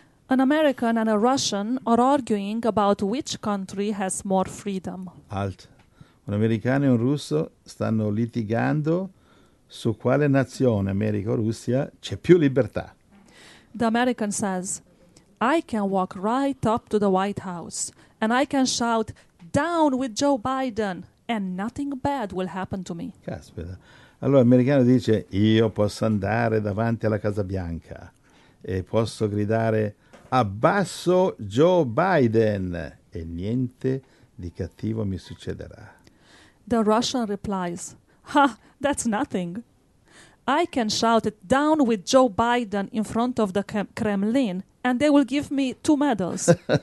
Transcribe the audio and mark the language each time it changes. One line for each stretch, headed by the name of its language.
English: An American and a Russian are arguing about which country has more freedom.
Italian: Alt. Un americano e un russo stanno litigando su quale nazione, America o Russia, c'è più libertà.
English: The American says, I can walk right up to the White House and I can shout, Down with Joe Biden, and nothing bad will happen to me.
Italian: Caspita. Allora l'americano dice: io posso andare davanti alla Casa Bianca e posso gridare abbasso Joe Biden e niente di cattivo mi succederà.
English: The Russian replies, Ha, that's nothing. I can shout it down with Joe Biden in front of the Kremlin, and they will give me two medals.